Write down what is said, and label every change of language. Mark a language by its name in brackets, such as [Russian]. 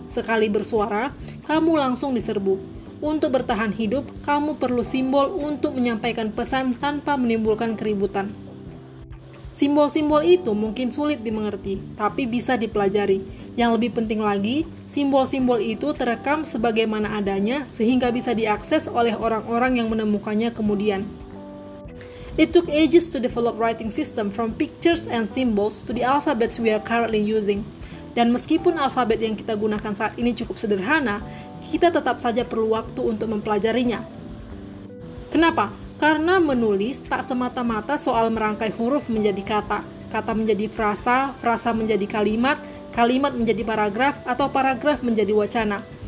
[Indonesian] Sekali bersuara, kamu langsung diserbu. Untuk bertahan hidup, kamu perlu simbol untuk menyampaikan pesan tanpa menimbulkan keributan. Simbol-simbol itu mungkin sulit dimengerti, tapi bisa dipelajari. Yang lebih penting lagi, simbol-simbol itu terekam sebagaimana adanya sehingga bisa diakses oleh orang-orang yang menemukannya kemudian. [English] It took ages to develop writing system from pictures and symbols to the alphabets we are currently using. [Indonesian] Dan meskipun alfabet yang kita gunakan saat ini cukup sederhana, kita tetap saja perlu waktu untuk mempelajarinya. Kenapa? Karena menulis tak semata-mata soal merangkai huruf menjadi kata. Kata menjadi frasa, frasa menjadi kalimat, kalimat menjadi paragraf, atau paragraf menjadi wacana.